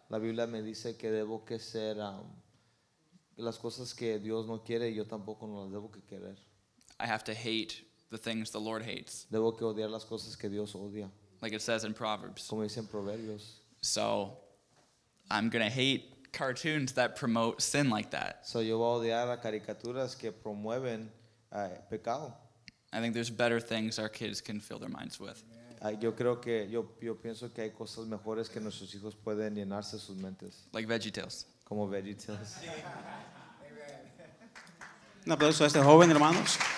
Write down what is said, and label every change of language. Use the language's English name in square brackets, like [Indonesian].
[Spanish] La Biblia me dice que debo que ser las cosas que Dios no quiere, yo tampoco no las debo que querer. [English] I have to hate the things the Lord hates. [Spanish] Debo que odiar las cosas que Dios odia. [English] Like it says in Proverbs. [Spanish] Como dice en Proverbios. [English] So, I'm going to hate cartoons that promote sin like that. [Spanish] So yo voy a odiar a caricaturas que promueven pecado. [English] I think there's better things our kids can fill their minds with. [Spanish] Yo creo que yo pienso que hay cosas mejores que nuestros hijos pueden llenarse sus mentes. [English] Like VeggieTales. [Spanish] Como VeggieTales. Un aplauso a este joven, hermanos.